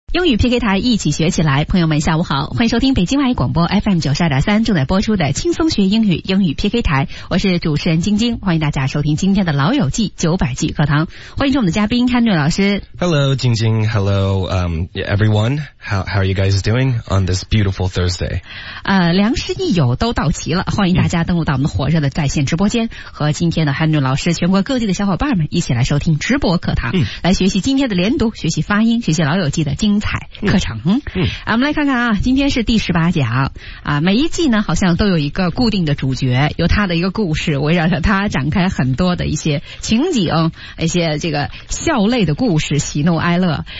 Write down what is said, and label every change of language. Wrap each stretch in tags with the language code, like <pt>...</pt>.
<zh>英语 PK 台一起学起来，朋友们下午好，欢迎收听北京外语广播 FM92.3 正在播出的轻松学英语英语 PK 台，我是主持人晶晶，欢迎大家收听今天的老友记900记课堂，欢迎我们的嘉宾 Henry 老师。</zh> <en>Hello 晶晶 Hello everyone how are you guys doing on this beautiful Thursday、</en> <zh>良师益友都到齐了，欢迎大家登录到我们火热的在线直播间、和今天的 Henry 老师全国各地的小伙伴们一起来收听直播课堂、来学习今天的连读，学习发音，学习老友记的精彩课程。我们来看看啊，今天是第18讲啊，每一季呢好像都有一个固定的主角，有他的一个故事，围绕着他展开很多的一些情景，一些这个笑泪的故事，喜怒哀乐。</zh>